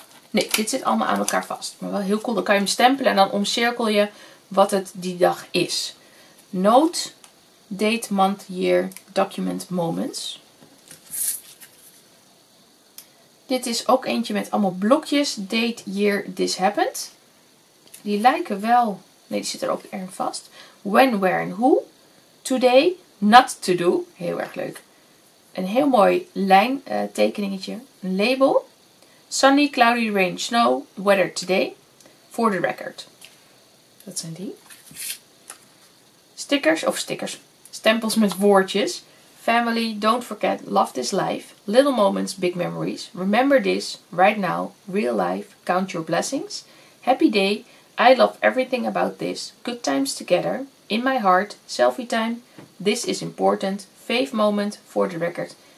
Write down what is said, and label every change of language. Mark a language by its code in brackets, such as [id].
[nl] Nee, dit zit allemaal aan elkaar vast. Maar wel heel cool. Dan kan je hem stempelen en dan omcirkel je wat het die dag is. [en] Note, date, month, year, document, moments. [nl] Dit is ook eentje met allemaal blokjes. [en] Date, year, this happened. [nl] Die lijken wel... Nee, die zit er ook erg vast. [en] When, where [nl] en who. [en] Today, not to do. [nl] Heel erg leuk. Een heel mooi lijn tekeningetje. Een label. [en] Sunny, cloudy, rain, snow, weather today. For the record. [nl] Dat zijn die. Stempels met woordjes. [en] Family, don't forget, love this life. Little moments, big memories. Remember this, right now, real life, count your blessings. Happy day, I love everything about this. Good times together, in my heart, selfie time. This is important, fave moment, for the record.